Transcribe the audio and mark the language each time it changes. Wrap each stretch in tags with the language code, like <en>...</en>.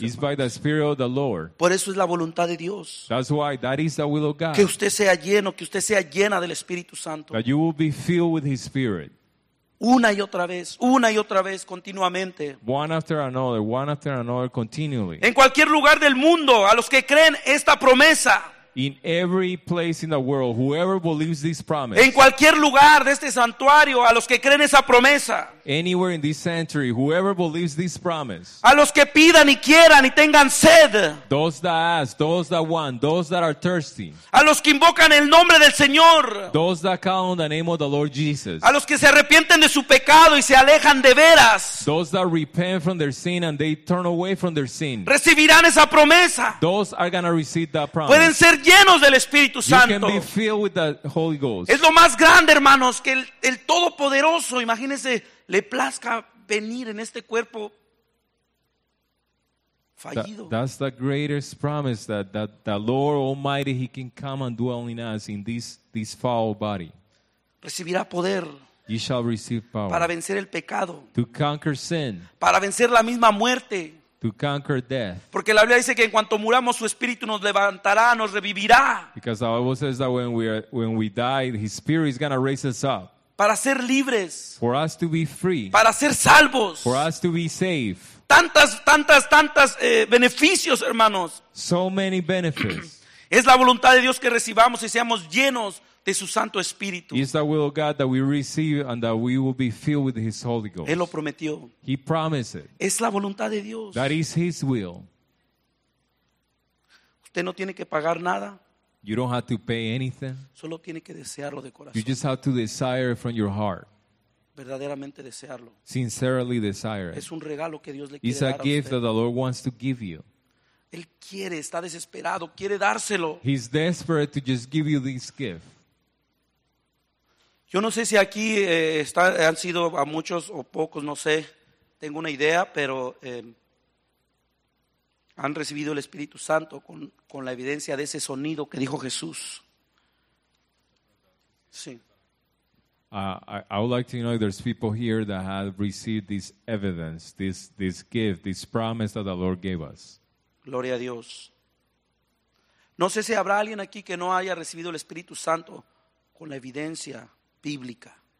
<en>It's by the Spirit of the Lord.</en> <es>Por eso es la voluntad de Dios.</es> <en>That's why, that is the will of God.</en> <es>Que usted sea lleno, que usted sea llena del Espíritu Santo.</es> <en>That you will be filled with His Spirit.</en> <es>Una y otra vez, continuamente.</es> <en>One after another, continually.</en> <es>En cualquier lugar del mundo, a los que creen esta promesa.</es> <en>In every place in the world, whoever believes this promise.</en> <es>En cualquier lugar de este santuario, a los que creen esa promesa.</es> <en>Anywhere in this sanctuary, whoever believes this promise.</en> <es>A los que pidan y quieran y tengan sed.</es> <en>Those that ask, those that want, those that are thirsty.</en> <es>A los que invocan el nombre del Señor.</es> <en>Those that call on the name of the Lord Jesus.</en> <es>A los que se arrepienten de su pecado y se alejan de veras.</es> <en>Those that repent from their sin and they turn away from their sin.</en> <es>Recibirán esa promesa.</es> <en>Those are gonna receive that promise.</en> <es>Pueden ser llenos del Espíritu Santo.</es> <en>You can be filled with the Holy Ghost.</en> <es>Es lo más grande, hermanos, que el Todopoderoso, imagínense, le plazca venir en este cuerpo fallido.</es> <en>That's the greatest promise that the Lord Almighty, He can come and dwell in us in this foul body.</en> <es>Recibirá poder.</es> <en>You shall receive power.</en> <es>Para vencer el pecado.</es> <en>To conquer sin.</en> <es>Para vencer la misma muerte.</es> <en>To conquer death.</en> <es>Porque la Biblia dice que en cuanto muramos, su Espíritu nos levantará, nos revivirá.</es> <en>Because the Bible says that when we die, His Spirit is going to raise us up.</en> <es>Para ser libres.</es> <en>For us to be free.</en> <es>Para ser salvos.</es> <en>For us to be safe.</en> <es>Tantas beneficios, hermanos.</es> <en>So many benefits.</en> <es>Es la voluntad de Dios que recibamos y seamos llenos de su Santo Espíritu.</es> <en>It's the will of God that we receive and that we will be filled with His Holy Ghost.</en> <es>Él lo prometió.</es> <en>He promised it.</en> <es>Es la voluntad de Dios.</es> <en>That is His will.</en> <es>Usted no tiene que pagar nada.</es> <en>You don't have to pay anything.</en> <es>Solo tiene que desearlo de corazón.</es> <en>You just have to desire it from your heart.</en> <es>Verdaderamente desearlo.</es> <en>Sincerely desire it.</en> <es>Es un regalo que Dios le quiere dar.</es> <en>It's a gift that the Lord wants to give you.</en> <es>Él quiere, está desesperado, quiere dárselo.</es> <en>He's desperate to just give you this gift.</en> <es>Yo no sé si aquí han sido a muchos o pocos, no sé. Tengo una idea, pero han recibido el Espíritu Santo con la evidencia de ese sonido que dijo Jesús. Sí.</es> <en>I would like to know if there's people here that have received this evidence, this gift, this promise that the Lord gave us.</en> <es>Gloria a Dios. No sé si habrá alguien aquí que no haya recibido el Espíritu Santo con la evidencia bíblica.</es>